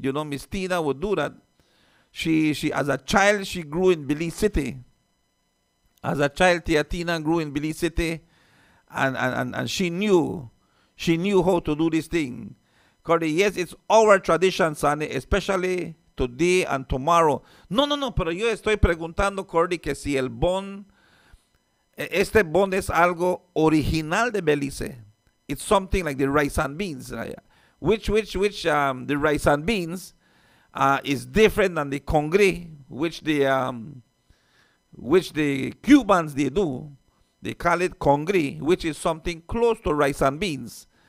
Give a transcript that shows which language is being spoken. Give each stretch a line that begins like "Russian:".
English: You know, Miss Tina would do that. She as a child, she grew in Belize City. As a child, Tia Tina grew in Belize City. And she knew how to do this thing. Cordy, yes, it's our tradition, Sonny, especially today and tomorrow.
Spanish: No, pero yo estoy preguntando, Cordy, que si el bun, este bun es algo original de Belize.
English: It's something like the rice and beans, right? which the rice and beans is different than the congre, which the Cubans they do. They call it congre, which is something close to rice and beans.